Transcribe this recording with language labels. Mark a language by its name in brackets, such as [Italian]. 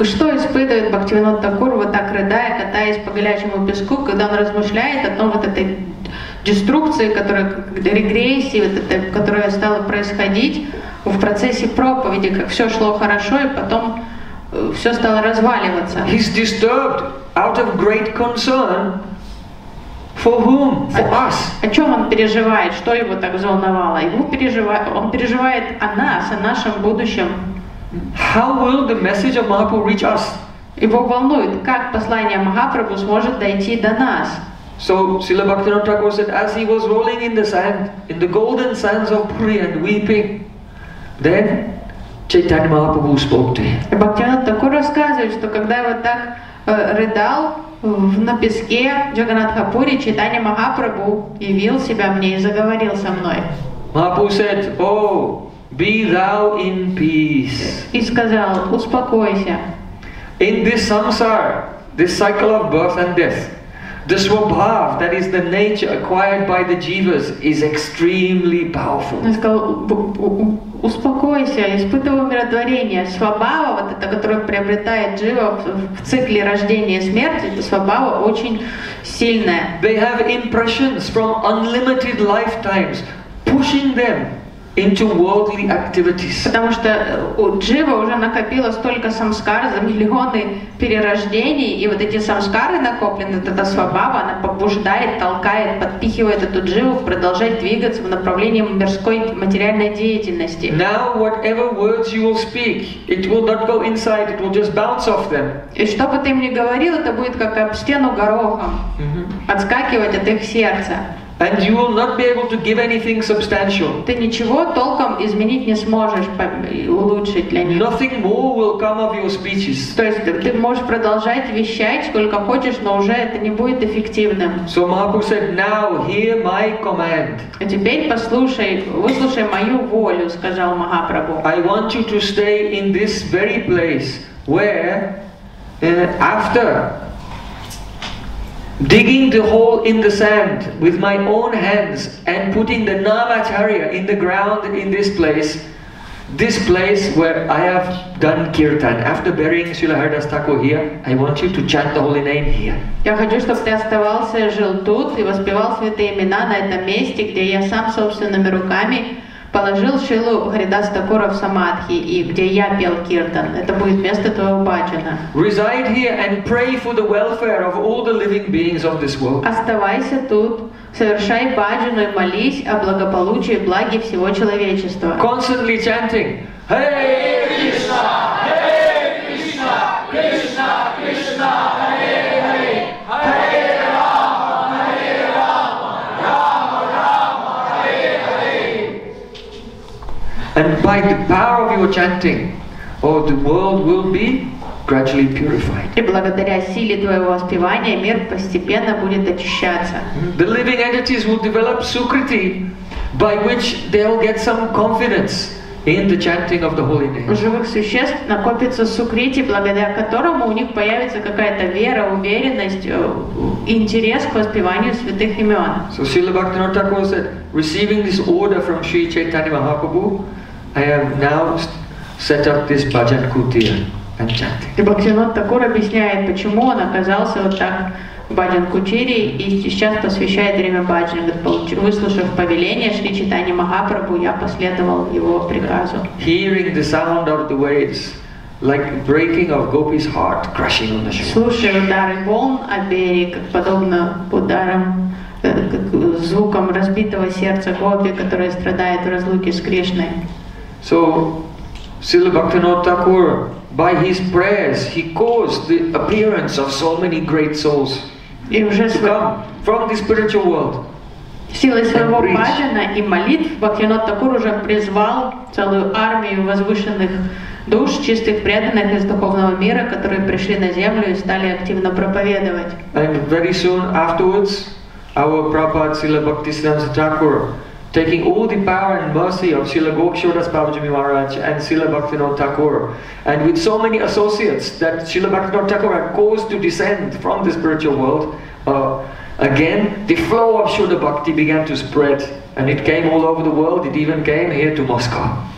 [Russian] Что испытывает Бхактивинода Такур, вот так рыдая, катаясь по горячему песку, когда он размышляет о том, вот этой деструкции, которая, регрессии, вот этой, которая стала происходить, в процессе проповеди, как все шло хорошо, и потом все стало разваливаться. [English] He's disturbed out of great concern. For whom? For us. [Russian] О чем он переживает? Что его так взволновало? Он переживает о нас, о нашем будущем. [English] How will the message of Mahaprabhu reach us? [Russian] Его волнует, как послание Махапрабху сможет дойти до нас. [English] So Srila Bhaktivinoda Thakur said, as he was rolling in the sand, in the golden sands of Puri and weeping, then Chaitanya Mahaprabhu spoke to him. [Russian] Бхактивинода Такур рассказывает, что когда я вот так рыдал на песке Джаганнатха Пури, Чайтанья Махапрабху явил себя мне и заговорил со мной. [English] Mahaprabhu said, oh, be thou in peace. [Russian] И сказал, успокойся. [English] In this samsara, this cycle of birth and death, the swabhav, that is the nature acquired by the jivas, is extremely powerful. [Russian] Он сказал, успокойся, испытывай умиротворение. Свабава, вот это, которое приобретает джива в цикле рождения и смерти, это свабава очень сильная. [English] They have impressions from unlimited lifetimes, pushing them into worldly activities. [Russian] Потому что у джива уже накопило столько самскар за миллионы перерождений, и вот эти самскары накоплены, эта свабава, она побуждает, толкает, подпихивает эту дживу продолжать двигаться в направлении мирской материальной деятельности. [English] Now whatever words you will speak, it will not go inside, it will just bounce off them. [Russian] И что бы ты им ни говорил, это будет как об стену горохом, отскакивать от их сердца. [English] And you will not be able to give anything substantial. [Russian] Ты ничего толком изменить не сможешь, улучшить для них. [English] Nothing more will come of your speeches. [Russian] То есть ты можешь продолжать вещать сколько хочешь, но уже это не будет эффективным. [English] So Mahaprabhu said, now hear my command. [Russian] А теперь послушай, выслушай мою волю, сказал Махапрабху. [English] I want you to stay in this very place where after digging the hole in the sand with my own hands and putting the Namacharya in the ground in this place where I have done kirtan. After burying Srila Haridas Thakur here, I want you to chant the holy name here. [Russian] Я хочу, чтобы ты оставался, жил тут и воспевал святые имена на этом месте, где я сам собственными руками положил Шилу Харидастакура в Самадхи, и где я пел киртан. Это будет место твоего баджана. [English] Reside here and pray for the welfare of all the living beings of this world. [Russian] Оставайся тут, совершай баджану и молись о благополучии и благе всего человечества. [English] Constantly chanting, Hey Krishna! And by the power of your chanting, oh, the world will be gradually purified. [Russian] И благодаря силе твоего воспевания мир постепенно будет очищаться. [English] The living entities will develop sukriti, by which they'll get some confidence in the chanting of the holy name. [Russian] У живых существ накопится сукрити, благодаря которому у них появится какая-то вера, уверенность, интерес к воспеванию святых имен. [English] So Srila Bhaktivinoda Thakur said, receiving this order from Sri Chaitanya Mahaprabhu, I have now set up this bhajan kutir and chanting. [Russian] И Бхактивинода Такур объясняет, почему он оказался вот так в бхаджан кутире и сейчас посвящает время бхаджане. Выслушав повеление Шри Чайтаньи Махапрабху, я последовал его приказу. [English] Hearing the sound of the waves, like breaking of Gopi's heart, crushing on the shore. [Russian] Слушая удары волн о берег, подобно ударам, звукам разбитого сердца Гопи, которое страдает в разлуке с Кришной. [English] So, Srila Bhaktivinoda Thakur, by his prayers, he caused the appearance of so many great souls to come from the spiritual world. [Russian] Силой своего баджана и молитв Бхактивинода Такур уже призвал целую армию возвышенных душ, чистых преданных из духовного мира, которые пришли на землю и стали активно проповедовать. [English] And very soon afterwards, our Prabhupada Srila Bhaktisiddhanta Thakur, taking all the power and mercy of Srila Gokshodas Babaji Maharaj and Srila Bhaktivinoda Thakur, and with so many associates that Srila Bhaktivinoda Thakur had caused to descend from the spiritual world, again, the flow of Shuddha Bhakti began to spread, and it came all over the world, it even came here to Moscow.